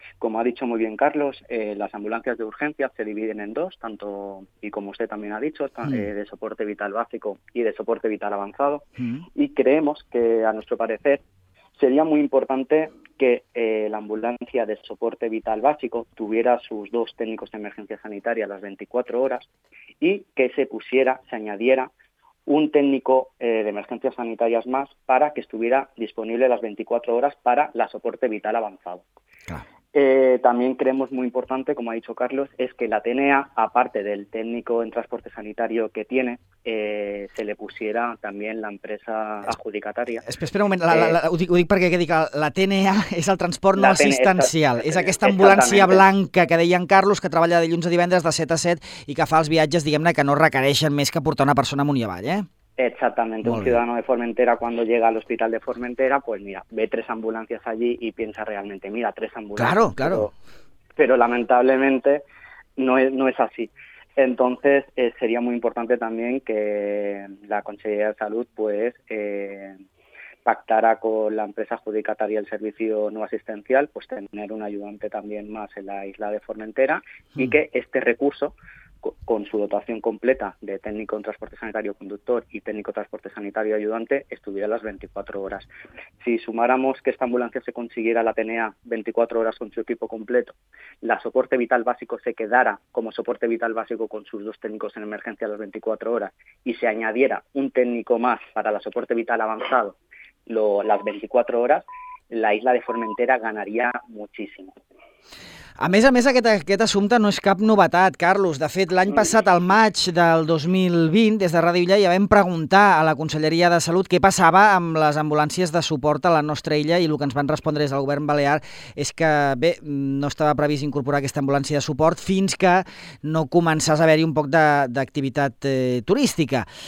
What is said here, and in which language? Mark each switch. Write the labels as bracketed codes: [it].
[es] Como ha dicho muy bien Carlos, las ambulancias de urgencias se dividen en dos, tanto, y como usted también ha dicho, de soporte vital básico y de soporte vital avanzado, y creemos que, a nuestro parecer, sería muy importante que la ambulancia de soporte vital básico tuviera sus dos técnicos de emergencia sanitaria las 24 horas y que se añadiera un técnico de emergencias sanitarias más para que estuviera disponible las 24 horas para la soporte vital avanzado. Claro. También creemos muy importante, como ha dicho Carlos, es que la TNEA, aparte del técnico en transporte sanitario que tiene, se le pusiera también la empresa adjudicataria. [ca] Espera un moment, ho dic perquè que dic, la TNA és el transport no assistencial, és aquesta ambulància blanca que deia en Carlos, que treballa de dilluns a divendres de 7 a 7 i que fa els viatges, diguem-ne, que no requereixen més que portar una persona amunt i avall, eh? [es] Exactamente, un ciudadano de Formentera cuando llega al hospital de Formentera, pues mira, ve tres ambulancias allí y piensa realmente, mira, tres ambulancias. Claro, claro. Pero lamentablemente no es así. Entonces, sería muy importante también que la Consejería de Salud pues pactara con la empresa adjudicataria el servicio no asistencial, pues tener un ayudante también más en la isla de Formentera y que este recurso, con su dotación completa de técnico en transporte sanitario conductor y técnico transporte sanitario ayudante, estuviera las 24 horas. Si sumáramos que esta ambulancia se consiguiera la TNA 24 horas con su equipo completo, la soporte vital básico se quedara como soporte vital básico con sus dos técnicos en emergencia las 24 horas y se añadiera un técnico más para la soporte vital avanzado las 24 horas, la isla de Formentera ganaría muchísimo. [ca] A més, aquest assumpte no és cap novetat, Carlos. De fet, l'any passat, al maig del 2020, des de Ràdio Illa, ja vam preguntar a la Conselleria de Salut què passava amb les ambulàncies de suport a la nostra illa i el que ens van respondre des del govern balear és que, bé, no estava previst incorporar aquesta ambulància de suport fins que no començàs a haver-hi un poc d'activitat turística.